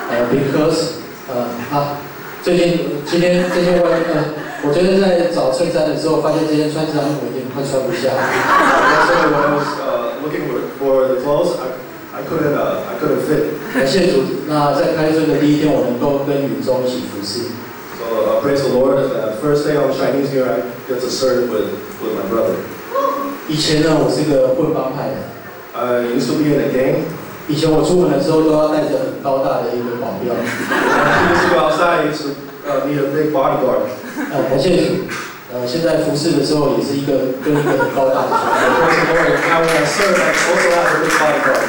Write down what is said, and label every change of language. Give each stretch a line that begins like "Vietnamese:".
English: Because,
Chinese: 最近今天这件外套，我觉得在找衬衫的时候，发现这件衬衫我已经快穿不下了。
English: So when I was looking for the clothes, I couldn't fit.
Chinese: 感谢主，那在开春的第一天，我能够跟雨中一起服侍。
English: So praise the Lord, first day on Chinese New Year, I get to serve with my brother.
Chinese: 以前呢，我是个混帮派的。
English: I used to be in a gang.
Chinese: 以前我出门的时候都要带着很高大的一个保镖。就是要塞，就是你的
English: big bodyguard。
Chinese: 感谢主。现在服侍的时候也是一个跟一个很高大的保镖。
English: Praise the Lord, I will serve also as a big bodyguard.